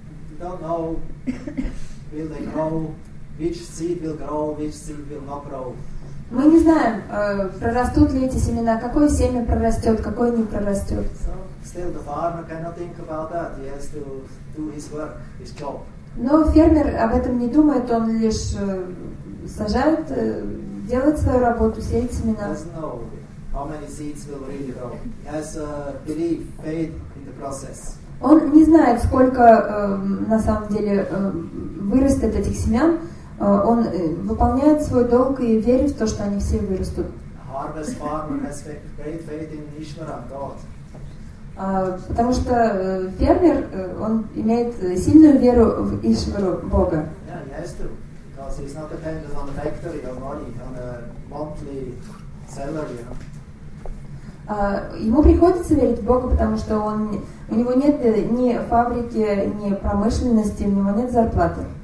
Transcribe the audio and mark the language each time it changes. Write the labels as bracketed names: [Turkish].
[English] We don't know will they grow, which seed will grow, which seed will not grow. [Russian] Мы не знаем, прорастут ли эти семена, какое семя прорастет, какое не прорастет. [English] So, still the farmer cannot think about that. He has to do his work, his job. [Russian] Но фермер об этом не думает, он лишь сажает, делает свою работу, сеет семена. [English] He doesn't know how many seeds will really grow. He has a belief, faith in the process. [Russian] Он не знает, сколько на самом деле вырастет этих семян. Он выполняет свой долг и верит в то, что они все вырастут. [English] Harvest farmer has great faith in Ishvara, God. [Russian] Потому что фермер, он имеет сильную веру в Ишвару, Бога. [English] Yeah, he has to, because he's not dependent on the factory or money, on a monthly salary. [Russian] Ему приходится верить в Бога, потому что он, у него нет ни фабрики, ни промышленности, у него нет зарплаты.